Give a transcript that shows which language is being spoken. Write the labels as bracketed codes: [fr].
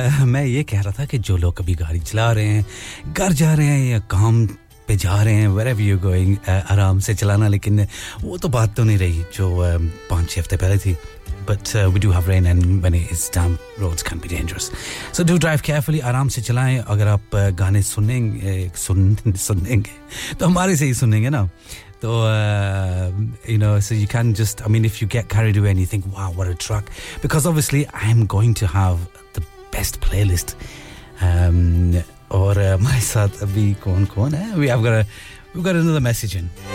[hi] मैं ये कह रहा था कि जो लोग कभी गाड़ी चला रहे हैं, घर जा रहे हैं या काम पे जा रहे हैं, [en] wherever you're going, [hi] आराम से चलाना, लेकिन वो तो बात तो नहीं रही जो 5-6 हफ्ते पहले थी. [en] But we do have rain, and when it is damp, roads can be dangerous. So do drive carefully, [hi] आराम से चलाएं. अगर आप गाने सुनेंगे, तो हमारे से ही सुनेंगे ना. [en] So, you know, so you can just, I mean, if you get carried away and you think, wow, what a track. Because obviously, I'm going to have the best playlist. My [hi] saath abhi kaun hai? [en] We've got another message in.